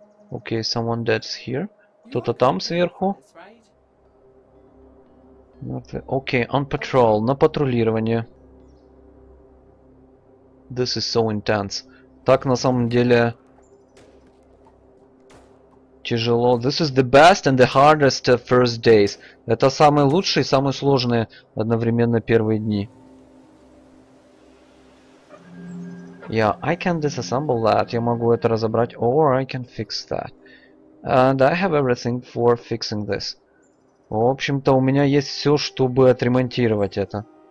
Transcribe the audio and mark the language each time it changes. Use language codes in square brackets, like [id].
[en] Okay, someone dead's here. [ru] Кто-то там сверху. [en] Okay, on patrol. [ru] На патрулирование. [en] This is so intense. [ru] Так на самом деле тяжело. [en] This is the best and the hardest first days. [ru] Это самые лучшие и самые сложные одновременно первые дни. [en] Yeah, I can disassemble that. [ru] Я могу это разобрать. [en] Or I can fix that. And I have everything for fixing this. [ru] В общем-то, у меня есть все, чтобы отремонтировать это.